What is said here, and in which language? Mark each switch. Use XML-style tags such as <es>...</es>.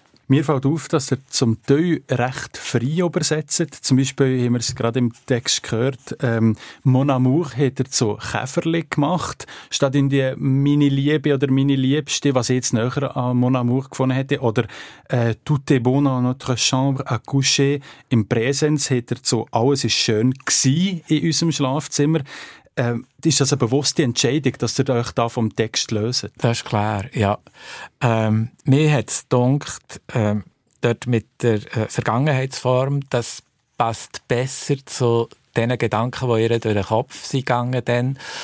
<de>Mir fällt auf, dass er zum Teil recht frei übersetzt. Zum Beispiel haben wir es gerade im Text gehört. Mon Amour hat er zu Käferli gemacht, statt in die Mini Liebe oder Mini Liebste, was ich jetzt näher an Mon Amour gefunden hätte.</de> <fr>Oder Tout est bon dans notre chambre à coucher.</fr> <de>Im Präsens hat er zu Alles ist schön gsi in unserem Schlafzimmer. Ist das eine bewusste Entscheidung, dass ihr euch da vom Text löst? Das ist klar, ja. Mir hat es gedacht, dort mit der Vergangenheitsform, das passt besser zu den Gedanken, die ihr durch den Kopf sind gegangen sind.</de>